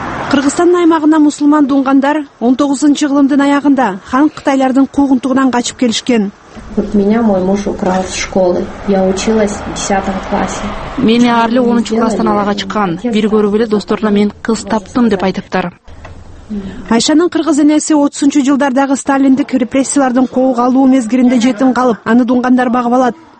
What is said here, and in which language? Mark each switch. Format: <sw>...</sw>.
<ky>Кыргызстандын аймагына мусулман дунгандар 19-чу кылымдын аягында хан кытайлардын куугунтугунан качып келишкен.</ky> <ru>Вот меня мой муж украл с школы. Я училась в 10 классе.</ru> <ky>Мени Арли 10-чу класстан алага чыккан. Бир көрүп эле досторуна мен кыз таптым деп айтыптыр. Айшанын кыргыз энеси 30-чу жылдардагы сталиндик репрессиялардын кооуга алуу мезгилинде жетим калып, аны дунгандар багып алат.</ky>